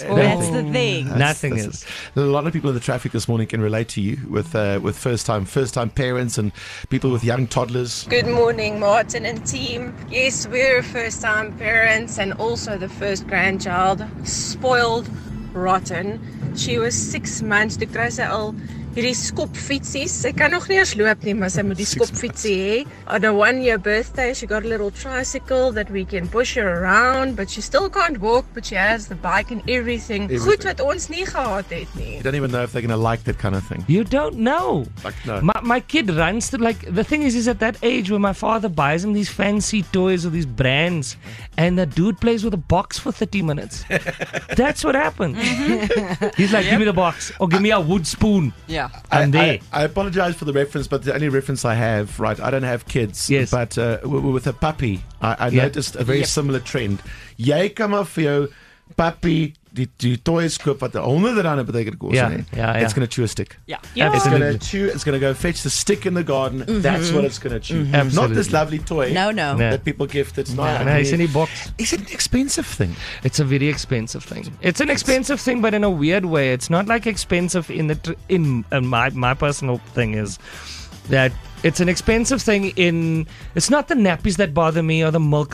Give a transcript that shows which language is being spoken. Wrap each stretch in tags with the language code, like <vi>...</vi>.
<en>That's the thing. Nothing is. A lot of people in the traffic this morning can relate to you with first time parents and people with young toddlers. Good morning, Martin and team. Yes, we're first time parents and also the first grandchild. Spoiled. Rotten. She was 6 months.</en> <af>Toe kry sy al hierdie skopfietsies. Sy kan nog nie eens loop nie, maar sy moet die skopfietsie hê.</af> <en>On her 1 year birthday, she got a little tricycle that we can push her around, but she still can't walk, but she has the bike and everything.</en> <af>Goed wat ons nie gehad het nie.</af> <en>You don't even know if they're gonna like that kind of thing. You don't know. Like, no. My kid runs to, like, the thing is at that age where my father buys him these fancy toys or these brands, and the dude plays with a box for 30 minutes. That's what happened. Mm-hmm. He's like, yep. Give me the box or give me a wood spoon. Yeah. I'm there. I apologize for the reference, but the only reference I have, right, I don't have kids. Yes. But with a puppy, I noticed a very similar trend.</en> <af>Jy kom af jou puppy, die toys koop wat onderaan het betekent.</af> <en>Yeah. It's going to chew a stick. Yeah. It's going to chew. It's going to go fetch the stick in the garden. Mm-hmm. That's what it's going to chew. Mm-hmm. Not this lovely toy. No. That people gift. That's not. No, it's in a box. Is it an expensive thing? It's a very expensive thing. It's an expensive thing, but in a weird way. It's not like expensive in my personal thing is that it's an expensive thing in, it's not the nappies that bother me or the milk.</en>